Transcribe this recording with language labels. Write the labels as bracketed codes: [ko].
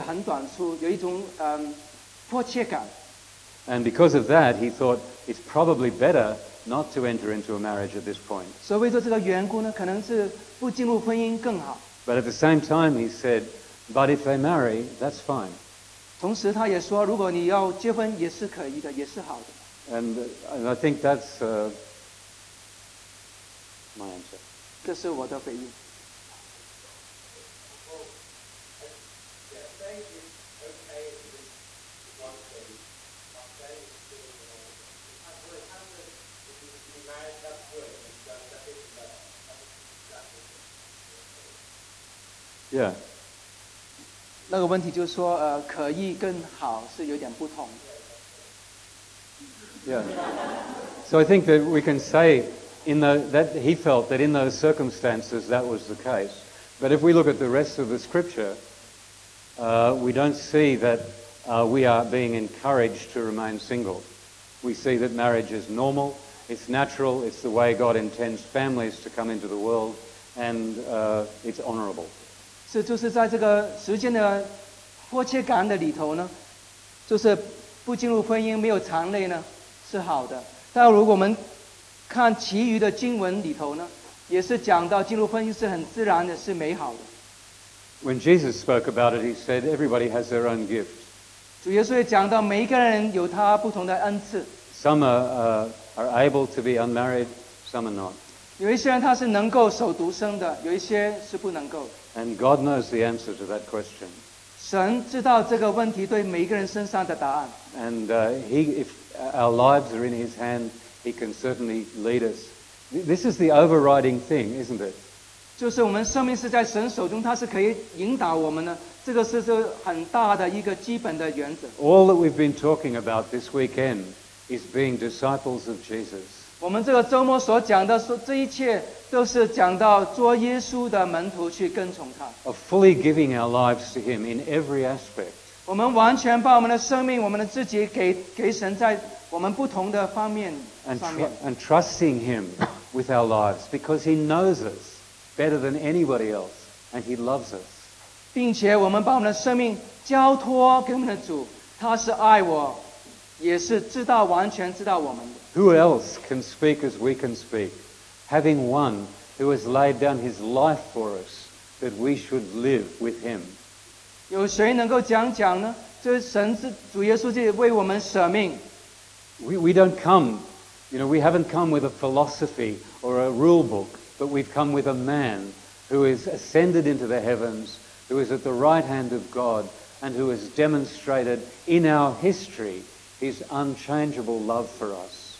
[zh] 因为在这个时候他们期望期待着主很快要再来的那个在地上的日子很短促有一种迫切感 [en] And because of that he thought it's probably better not to enter into a marriage at this point [zh] 所谓说这个缘故呢可能是不进入婚姻更好 [en] But at the same time he said but if they marry that's fine [zh] 同时他也说如果你要结婚也是可以的也是好的 [en] And I think that's my answer. [zh] 这是我的回应。 [en] Yeah. [zh] 那个问题就是说, 可以更好是有点不同的。 [en] Yeah. So I think that we can say he felt that in those circumstances that was the case. But if we look at the rest of the scripture, we don't see that we are being encouraged to remain single. We see that marriage is normal, it's natural, it's the way God intends families to come into the world, and it's honorable. [zh] 就是在这个时间的迫切感的里头呢, 就是不进入婚姻没有长累呢, 是好的。但如果我们看其余的经文里头呢, 也是讲到进入婚姻是很自然的，是美好的。 [en] When Jesus spoke about it, he said everybody has their own gift. [zh] 主耶稣也讲到每一个人有他不同的恩赐。 [en] Some are able to be unmarried, some are not. [zh] 有一些人他是能够守独生的，有一些是不能够。 [en] And God knows the answer to that question. [zh] 神知道这个问题对每一个人身上的答案。 [en] And if our lives are in His hand, He can certainly lead us. This is the overriding thing, isn't it? [zh] 就是我们生命是在神手中，他是可以引导我们的，这个是这很大的一个基本的原则。 [en] All that we've been talking about this weekend is being disciples of Jesus. [zh] 我们这个周末所讲的说，这一切都是讲到做耶稣的门徒，去跟从他。 [en] Of fully giving our lives to Him in every aspect. [zh] 我们完全把我们的生命，我们的自己给神，在我们不同的方面上面。 [en] And trusting Him with our lives because He knows us. Better than anybody else, and He loves us. [zh] 并且我们把我们的生命交托给我们的主，他是爱我，也是知道完全知道我们的。 [en] Who else can speak as we can speak, having one who has laid down His life for us that we should live with Him? [zh] 有谁能够讲呢？这神是主耶稣基督为我们舍命。 [en] We don't come, you know, we haven't come with a philosophy or a rule book. But we've come with a man who is ascended into the heavens, who is at the right hand of God, and who has demonstrated in our history His unchangeable love for us.